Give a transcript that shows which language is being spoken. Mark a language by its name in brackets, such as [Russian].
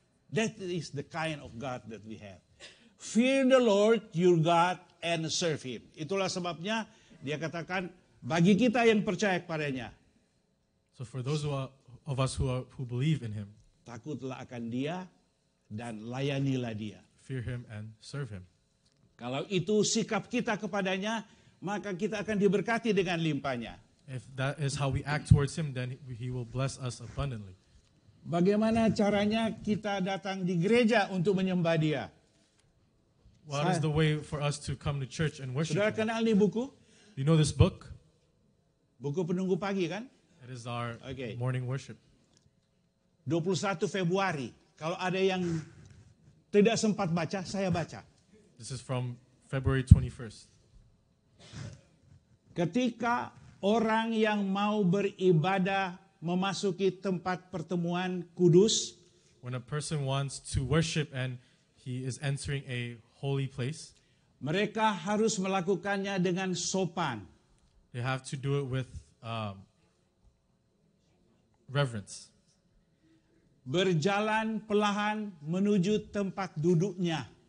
[English] That is the kind of God that we have. Fear the Lord your God and serve him. [Indonesian] Itulah sebabnya dia katakan bagi kita yang percaya kepada-Nya. [English] So for those of us who believe in him, [Indonesian] takutlah akan dia dan layanilah dia. [English] Fear him and serve him. [Indonesian] Kalau itu sikap kita kepada-Nya, maka kita akan diberkati dengan limpahnya. [English] If that is how we act towards him, then he will bless us abundantly. [Indonesian] Bagaimana caranya kita datang di gereja untuk menyembah dia? [English] What is the way for us to come to church and worship? [Indonesian] Sudah kenal ini buku? [English] You know this book? [Indonesian] Buku penunggu pagi kan? [English] It is our morning worship. [Indonesian] 21 Februari. Kalau ada yang tidak sempat baca, saya baca. [English] This is from February 21st. [Indonesian] Ketika orang yang mau beribadah memasuki tempat pertemuan kudus, [English] when a person wants to worship and he is entering a holy place, [Indonesian] mereka harus melakukannya dengan sopan. [English] They have to do it with reverence. [Indonesian] Berjalan pelahan menuju tempat duduknya.